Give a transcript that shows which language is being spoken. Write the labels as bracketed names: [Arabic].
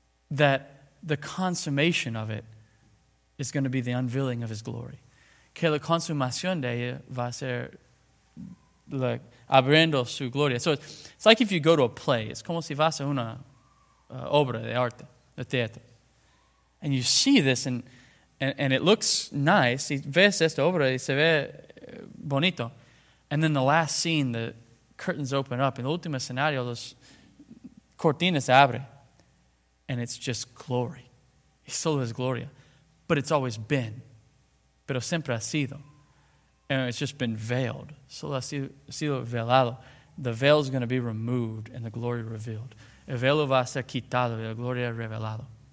[English] That the consummation of it is going to be the unveiling of his glory. [Spanish] Que la consumación de ella va a ser abriendo su gloria. [English] So it's like if you go to a play. [Spanish] It's como si vas a una obra de arte, de teatro. [English] And you see this, and it looks nice. [Spanish] Y ves esta obra y se ve bonito. [English] And then the last scene, the curtains open up. [Spanish] En el último escenario, los cortinas abre. [English] And it's just glory. [Spanish] Y solo es gloria. [English] But it's always been. [Spanish] Pero siempre ha sido. [English] And it's just been veiled. [Spanish] Solo ha sido velado. [English] The veil is going to be removed and the glory revealed. [Spanish] El velo va a ser quitado y la gloria revelado.